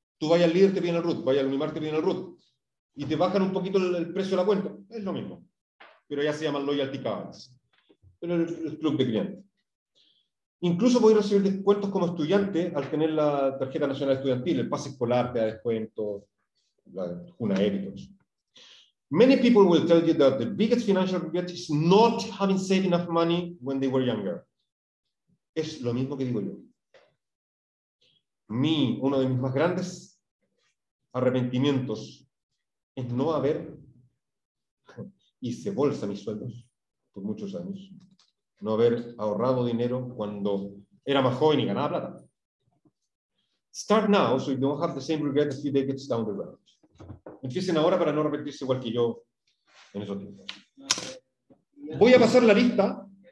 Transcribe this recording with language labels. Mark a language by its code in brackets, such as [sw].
[es] Tú vas al líder, te viene el RUT, vas al Unimar, te viene el RUT. Y te bajan un poquito el precio de la cuenta. Es lo mismo. Pero ya se llaman loyalty cards. Pero es el club de cliente. Incluso voy a recibir descuentos como estudiante al tener la tarjeta nacional estudiantil, el pase escolar te da descuento, la UNAEB. [en] Many people will tell you that the biggest financial regret is not having saved enough money when they were younger. [es] Es lo mismo que digo yo. Uno de mis más grandes arrepentimientos es no haber hice bolsa mis sueldos por muchos años. No haber ahorrado dinero cuando era más joven y ganaba plata. [en] Start now so you don't have the same regret a few decades down the road. [es] Empiecen ahora para no repetirse igual que yo en esos tiempos. Voy a pasar la lista.